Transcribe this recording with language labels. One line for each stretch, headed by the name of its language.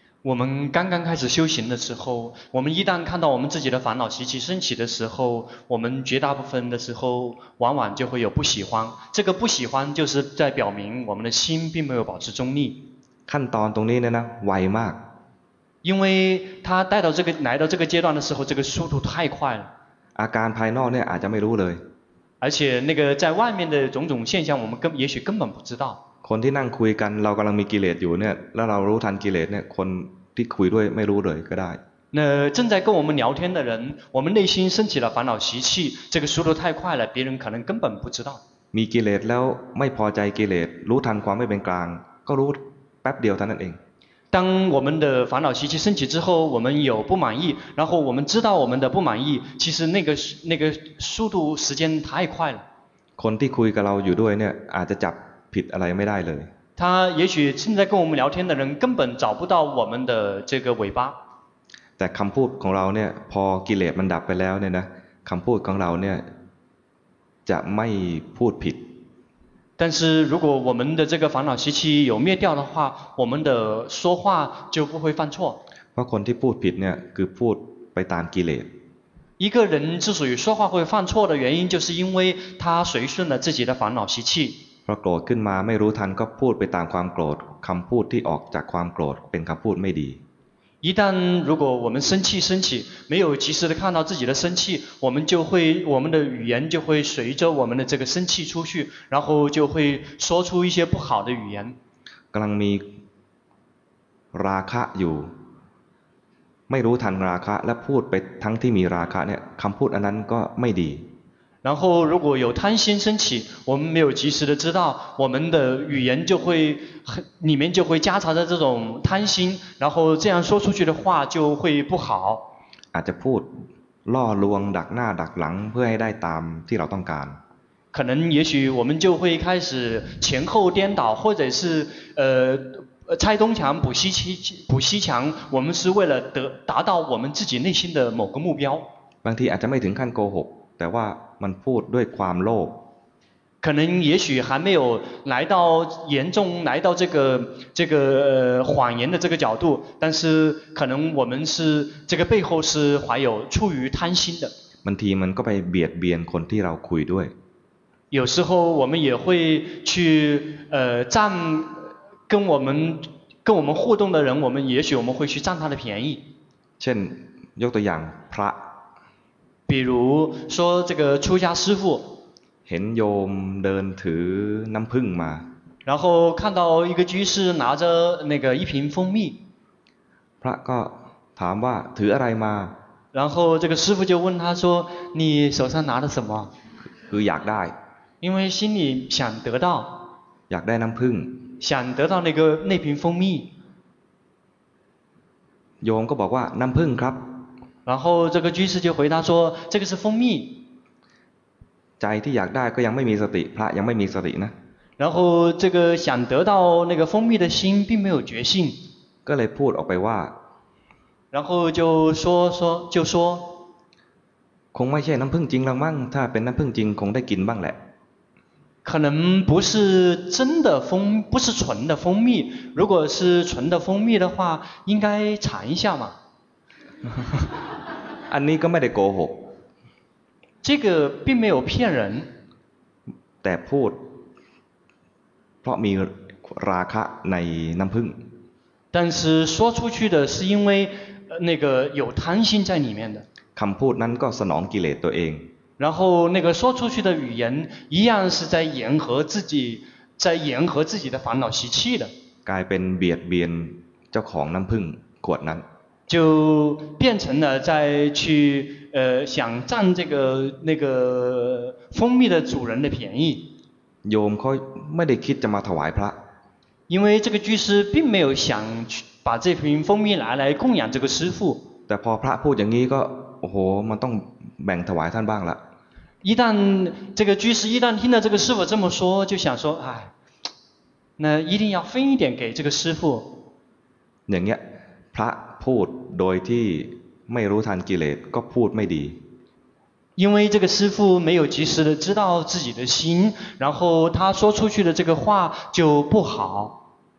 Chinese: 我们刚刚开始修行的时候我们一旦看到我们自己的烦恼习气升起的时候我们绝大部分的时候往往就会有不喜欢这个不喜欢就是在表明我们的心并没有保持中立看到
Thai: ตรงนี้เนี่ยนะไวมาก
Chinese: 因为他带到这个来到这个阶段的时候这个速度太快了
Thai: อาการภายนอกเนี่ยอาจจะไม่รู้เลย
Chinese: 而且那个在外面的种种现象我们也许根本不知道
Thai: คนที่นั่งคุยกันเรากำลังมีกิเลสอยู่เนี่ยแล้วเรารู้ทันกิเลสเนี่ยคนที่คุยด้วยไม่รู้เลยก็ได้
Chinese: 那正在跟我们聊天的人我们内心升起了烦恼习气这个速度太快了别人可能根本不知道
Thai: มีกิเลสแล้วไม่พอใจกิเลสรู้ทันความไม่เป็นกลางก็รู้แป๊บเดียวเท่านั้นเอง
Chinese: 当我们的烦恼习气升起之后我们有不满意然后我们知道我们的不满意其实那个速度时间太快了
Thai: คนที่คุยกับเราอยู่ด้วยเนี่ยอาจจะจับผิดอะไรไม่ได้เลย
Chinese: 他也许正在跟我们聊天的人根本找不到我们的这个尾巴
Thai: แต่คำพูดของเราเนี่ยพอกิเลสมันดับไปแล้วเนี่ยนะคำพูดของเราเนี่ยจะไม่พูดผิด
Chinese: 但是如果我们的这个烦恼习气有灭掉的话我们的说话就不会犯错
Thai: เพราะคนที่พูดผิดเนี่ยคือพูดไปตามกิเลส
Chinese: 一个人之所以说话会犯错的原因就是因为他随顺了自己的烦恼习气
Thai: พอโกรธขึ้นมาไม่รู้ทันก็พูดไปตามความโกรธคำพูดที่ออกจากความโกรธเป็นคำพูดไม่ดี
Chinese: 一旦如果我们生气生起，没有及时的看到自己的生气，我们就会，我们的语言就会随着我们的这个生气出去，然后就会说出一些不好的语言。
Thai: กำลังมีราคะอยู่ไม่รู้ทันราคะและพูดไปทั้งที่มีราคะเนี่ยคำพูดอันนั้นก็ไม่ดี。
Chinese: 然后如果有贪心升起，我们没有及时的知道，我们的语言就会里面就会夹杂着这种贪心，然后这样说出去的话就会不好。
Thai: อาจจะพูดล่อลวงดักหน้าดักหลังเพื่อให้ได้ตามที่เราต้องการ。
Chinese: 可能也许我们就会开始前后颠倒，或者是拆东墙补西墙，我们是为了达到我们自己内心的某个目标。
Thai: บางทีอาจจะไม่ถึงขั้นโกหกแต่ว่ามันพูดด้วยความโลภ
Chinese: 可能也许还没有来到严重来到这个谎言的这个角度，但是可能我们是这个背后是怀有出于贪心的。
Thai: บางทีมันก็ไปเบียดเบียนคนที่เราคุยด้วย
Chinese: 有时候我们也会去占跟我们互动的人，我们也许我们会去占他的便宜。
Thai: เช่นยกตัวอย่างพระ
Chinese: 比如说这个出家师父
Thai: เห็นโยมเดินถือน้ำผึ้งมา
Chinese: 然后看到一个居士拿着那个一瓶蜂蜜
Thai: พระก็ถามว่าถืออะไรมา
Chinese: 然后这个师父就问他说你手上拿的什么
Thai: คืออยากได้
Chinese: 因为心里想得到
Thai: อยากได้น้ำผึ้ง
Chinese: 想得到那瓶蜂蜜
Thai: โยมก็บอกว่าน้ำผึ้งครับ
Chinese: 然后这个居士就回答说这个是蜂蜜
Thai: ใจที่อยากได้ก็ยังไม่มีสติพระยังไม่มีสตินะ
Chinese: 然后这个想得到那个蜂蜜的心并没有决心
Thai: ก็เลยพูดออกไปว่า
Chinese: 然后就说
Thai: คงไม่ใช่น้ำผึ้งจริงหรอกมั้งถ้าเป็นน้ำผึ้งจริงคงได้กินบ้างแหละ
Chinese: 可能不是真的蜂不是纯的蜂蜜如果是纯的蜂蜜的话应该尝一下嘛
Thai: อันนี้ก็ไม่ได้โกหก
Chinese: 这个并没有骗人
Thai: แต่พูดเพราะมีราคะในน้ำผึ้ง
Chinese: 但是说出去的是因为那个有贪心在里面的
Thai: คำพูดนั้นก็สนองกิเลสตัวเอง
Chinese: 然后那个说出去的语言一样是在迎合自己的烦恼习气的
Thai: กลายเป็นเบียดเบียนเจ้าของน้ำผึ้งขวดนั้น
Chinese: 就变成了在去想占这个那个蜂蜜的主人的便宜。
Thai: โยมเขาไม่ได้คิดจะมาถวายพระ。
Chinese: 因为这个居士并没有想去把这瓶蜂蜜来供养这个师父。
Thai: แต่พอพระพูดอย่างนี้ก็โอ้โหมันต้องแบ่งถวายท่านบ้างละ。
Chinese: 一旦这个居士一旦听到这个师父这么说，就想说，哎，那一定要分一点给这个师父。
Thai: อย่างเงี้ยพระพูดโดยที่ไม่รู้ทันกิเลสก็พูดไม่ดี
Chinese: 因为这个师父没有及时的知道自己的心然后他说出去的这个话就不好